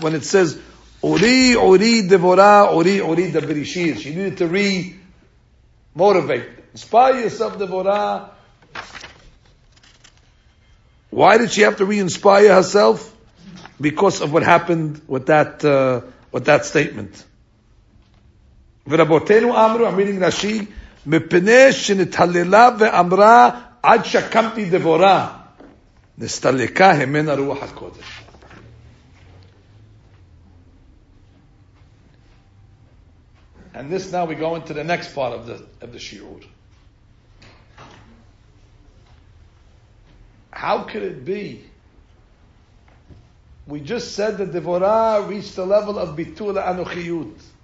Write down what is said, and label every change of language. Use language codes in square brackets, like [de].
[en] When it says [he] uri uri devorah uri uri debirishir, [en] she needed to re-motivate, inspire yourself, devorah. Why did she have to re-inspire herself? Because of what happened with that statement. [he] ורבותינו אמרו, [en] I'm reading Rashi, [he] מפני שנתהללה ואמרה, עד שקמתי דבורה, נסתלקה המנה רוח הקודש. [en] And this now we go into the next part of the shiur. How could it be? We just said that דבורה reached the level of ביטול האנוכיות.